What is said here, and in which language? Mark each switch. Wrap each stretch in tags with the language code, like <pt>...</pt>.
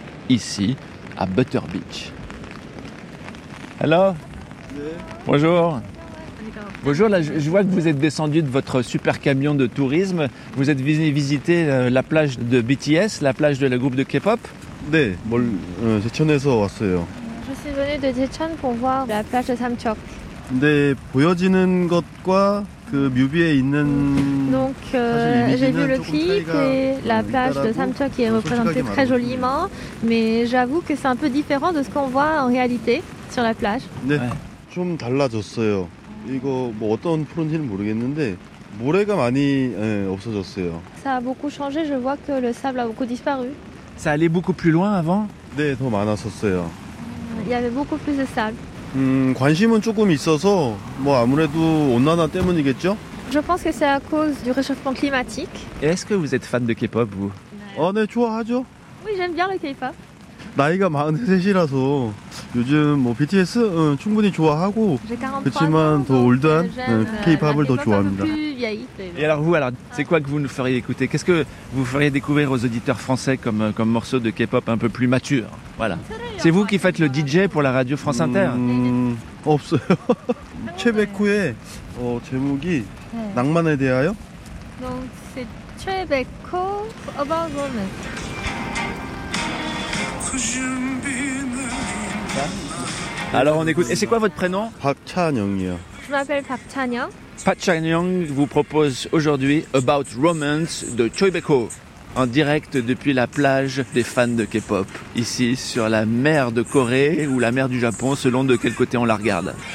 <fr>Ici, à Butter Beach. Hello. Bonjour. Bonjour, là, je vois que vous êtes descendu de votre super camion de tourisme. Vous êtes venu visiter la plage de BTS, la plage de la groupe de K-pop. Je suis venu de Jecheon pour voir la plage de Samcheok.</fr> <ko>네, 보여지는 것과 그 뮤비에 있는</ko> <fr>Donc j'ai vu le clip et la plage de Samcheok qui est représentée très joliment, mais j'avoue que c'est un peu différent de ce qu'on voit en réalité sur la plage.</fr> <ko>네. 좀 달라졌어요. 이거 뭐 어떤 푸른지는 모르겠는데 모래가 많이 없어졌어요.</ko> <fr>Ça a beaucoup changé, je vois que le sable a beaucoup disparu. Ça allait beaucoup plus loin avant?</fr> <ko>네, 더 많았었어요.</ko> <fr>Il y avait beaucoup plus de sable.</fr> <ko>관심은 조금 있어서 뭐 아무래도 온난화 때문이겠죠?</ko> <fr>Je pense que c'est à cause du réchauffement climatique. Et est-ce que vous êtes fan de K-pop vous?</fr> <ko>아, 네, 좋아하죠.</ko> <fr>Oui, j'aime bien le K-pop.</fr> <ko>나이가 43이라서 요즘 뭐 BTS 충분히 좋아하고 그렇지만 더 올드한 K-pop을 더 좋아합니다.</ko> <fr>Et alors vous, alors c'est quoi que vous nous feriez écouter? Qu'est-ce que vous feriez découvrir aux auditeurs français comme morceau de K-pop un peu plus mature? Voilà. C'est vous qui faites le DJ pour la radio France Inter?</fr> <ko>없어요. 최백호의 제목이 낭만에 대하여.</ko> <fr>Donc c'est 최백호 About Women. Alors on écoute. Et c'est quoi votre prénom?</fr> <ko>Park Chan-young이요.</ko> <fr>Je m'appelle Park Chan-young. Park Chan-young vous propose aujourd'hui About Romance de Choi Baek-ho en direct depuis la plage des fans de K-pop ici sur la mer de Corée ou la mer du Japon selon de quel côté on la regarde.</fr>